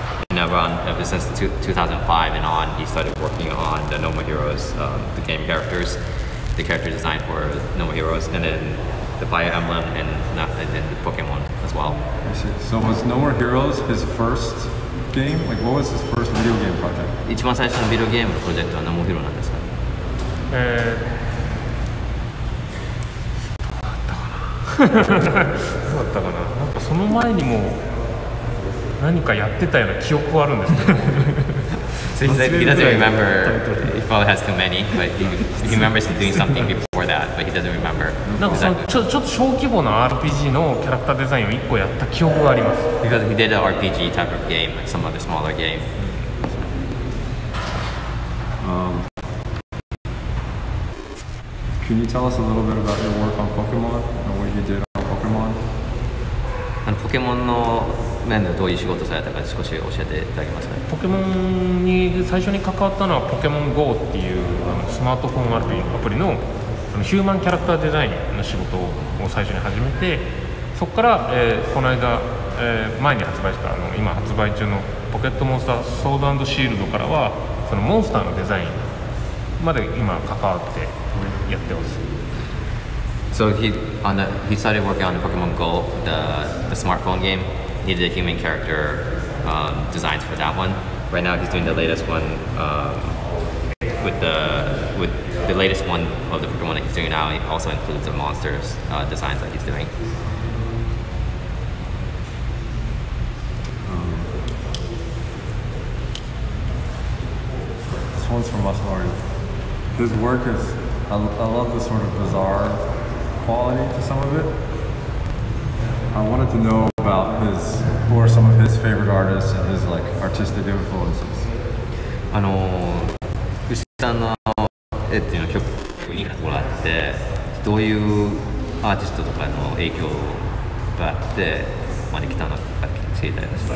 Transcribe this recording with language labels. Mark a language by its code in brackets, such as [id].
[en] And ever since 2005 and on, he started working on the Noma Heroes, the game characters, the character design for Noma Heroes, and then the Fire Emblem and then the Pokemon as well. I see. So was Noma Heroes his first? Game? Like, what was his first video game project? [ja] 一番最初のビデオゲームプロジェクトは何もヒロなんですか？どうだったかな？なんかその前にも何かやってたような記憶はあるんですけど。 [en] So he doesn't remember. He probably has too many, but he remembers doing something before that, but he doesn't remember. [ja] なんかちょっと小規模な RPG のキャラクターデザインを1個やった記憶があります。 [en] Because he did an RPG type of game, like some other smaller game. Can you tell us a little bit about your work on Pokemon and what you did on Pokemon? [ja] Pokemon の面でどういう仕事されたか少し教えていただけますか？ Pokemon に最初に関わったのは Pokemon Go っていうスマートフォンアプリのヒューマンキャラクターデザインの仕事を最初に始めて、そこから、この間前に発売した今発売中のポケットモンスターソード&シールドからはそのモンスターのデザインまで今関わってやってます。 [en] So he started working on the Pokemon Go, the smartphone game. He did the human character designs for that one. Right now he's doing the latest one with the latest one of the Pokemon that he's doing now. It also includes the monsters designs that he's doing one's from Masanori. His work is, I love the sort of bizarre quality to some of it. I wanted to know about his, who are some of his favorite artists and his like artistic influences. [ja] あの、ウシキさんの絵っていうの曲いいところあって、どういうアーティストとかの影響があって、まで来たのか聞きたいですか。